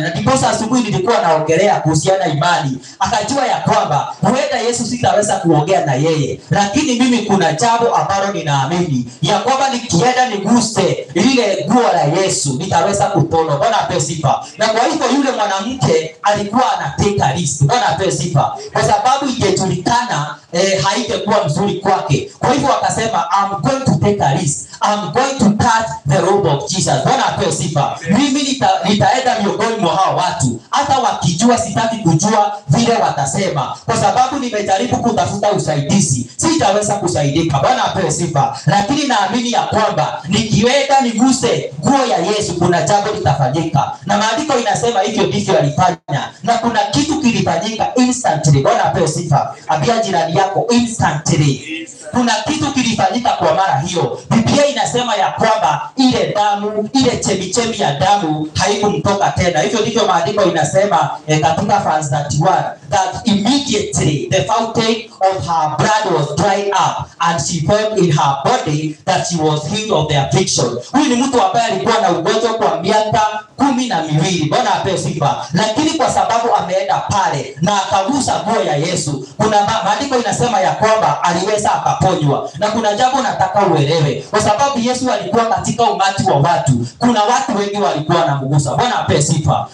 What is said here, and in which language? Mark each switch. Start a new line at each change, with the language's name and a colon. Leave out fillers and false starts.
Swahili: Na ndipo asubuhi nilikuwa naongelea kuhusiana na imani, akajua ya kwamba huenda Yesu sitaweza kuongea na yeye, lakini mimi kuna jambo ambalo ninaamini ya kwamba nikienda niguse ile guo la Yesu nitaweza kupona. Bwana apewe sifa. Na kwa hivyo yule mwanamke alikuwa anateka risk. Bwana apewe sifa. Kwa sababu ingejulikana, haingekuwa mzuri kwake. Kwa hivyo akasema,
English: I'm going to take a risk, I'm going to touch the robe of Jesus.
Swahili: Bwana apewe sifa. Mimi nitaenda miongoni mwa hao watu, hata wakijua, sitaki kujua vile watasema, kwa sababu nimejaribu kutafuta usaidizi, sitaweza kusaidika. Bwana apewe sifa. Lakini naamini ya kwamba niki kiweka niguse nguo ya Yesu, kuna jambo litafanyika. Na maandiko inasema hivyo ndivyo alifanya, na kuna kitu kilifanyika instantly. Bwana apewe sifa. Ambia jirani yako instantly, kuna kitu kilifanyika kwa mara hiyo. Biblia inasema ya kwamba ile damu, ile chemichemi ya damu haikumtoka tena. Hivyo ndivyo maandiko inasema katika
English: fans that were, that immediately the fountain of her blood was dried up and she felt in her body that she was healed of the affliction.
Swahili: Huyu ni mtu ambaye alikuwa na ugonjwa kwa miaka 12. Bwana apewe sifa. Lakini kwa sababu ameenda pale na akagusa nguo ya Yesu, kuna maandiko inasema ya kwamba aliweza akaponywa. Na kuna jambo nataka uelewe, kwa sababu Yesu alikuwa katika umati wa watu, kuna watu wengi walikuwa wanamgusa. Bwana apewe sifa.